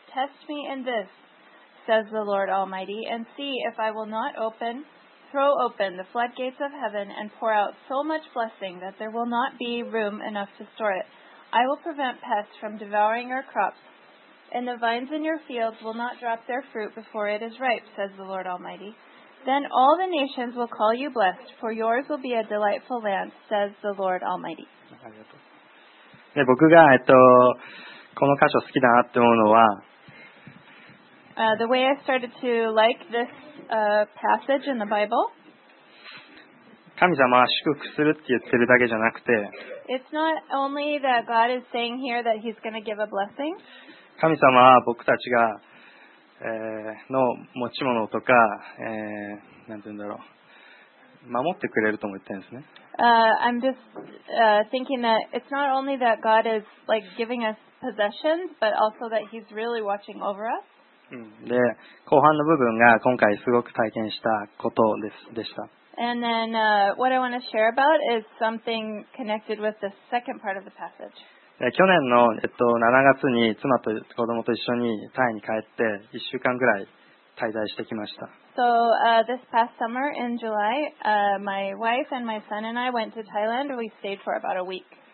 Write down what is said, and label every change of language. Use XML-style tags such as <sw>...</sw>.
<en>Test me in this, says the Lord Almighty, and see if I will not throw open the floodgates of heaven and pour out so much blessing that there will not be room enough to store it. I will prevent pests from devouring your crops, and the vines in your fields will not drop their fruit before it is ripe, says the Lord Almighty. Then all the nations will call you blessed, for yours will be a delightful land, says the Lord Almighty.</en> <ja>で僕が、この箇所好きだなって思うのは、</ja> <en>The way I started to like this, passage in the Bible,</en> <ja>神様は祝福するって言ってるだけじゃなくて、</ja> <en>It's not only that God is saying here that He's going to give a blessing.</en> <ja>神様は僕たちが、の持ち物とか、なんて言うんだろう、守ってくれると思ってるんですね。</ja> <en>I'm just thinking that it's not only that God is like giving us possessions, but also that He's really watching over us.</en> <ja>で、後半の部分が今回すごく体験したことでした。</ja> <en>And then what I want to share about is something connected with the second part of the passage.</en> <ja>去年の7月に妻と子供と一緒にタイに帰って1週間ぐらい滞在してきました。</ja> <en>So this past summer in July, my wife and my son and I went to Thailand. We stayed for about a week.</en>